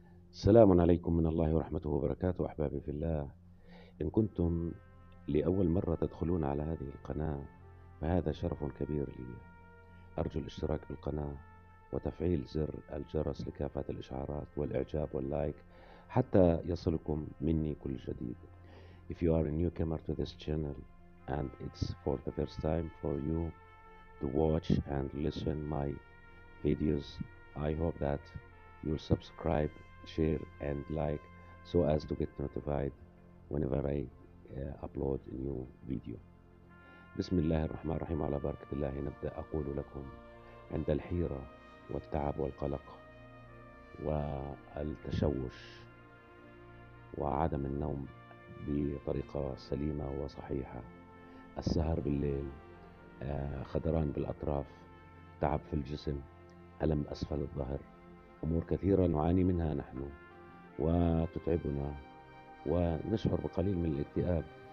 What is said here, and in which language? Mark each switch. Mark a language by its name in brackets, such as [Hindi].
[Arabic] السلام عليكم من الله ورحمته وبركاته. أحبابي في الله، إن كنتم لأول مرة تدخلون على هذه القناة فهذا شرف كبير لي. أرجو الاشتراك بالقناة وتفعيل زر الجرس لكافة الإشعارات والإعجاب واللايك حتى يصلكم مني كل جديد. [English] If you are a newcomer to this channel and it's for the first time for you to watch and listen my videos, I hope that you subscribe, share and like so as to get notified whenever I upload a new video. [Arabic] بسم الله الرحمن الرحيم، على بركة الله نبدأ. أقول لكم عند الحيرة والتعب والقلق والتشوش وعدم النوم بطريقة سليمة وصحيحة، السهر بالليل، خدران بالأطراف، تعب في الجسم، ألم أسفل الظهر، أمور كثيرة نعاني منها نحن وتتعبنا ونشعر بقليل من الاكتئاب.